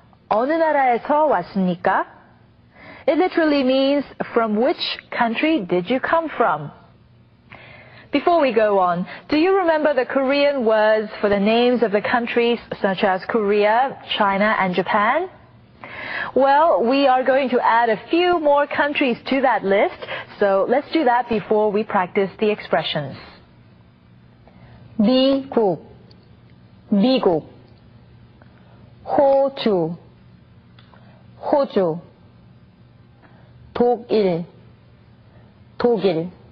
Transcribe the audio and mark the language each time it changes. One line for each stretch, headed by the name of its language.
Korean: 어느 나라에서 왔습니까?
English: It literally means from which country did you come from? Before we go on, do you remember the Korean words for the names of the countries such as Korea, China, and Japan? Well, we are going to add a few more countries to that list, so let's do that before we practice the expressions.
Korean: 미국, 미국, 호주, 호주, 독일, 독일.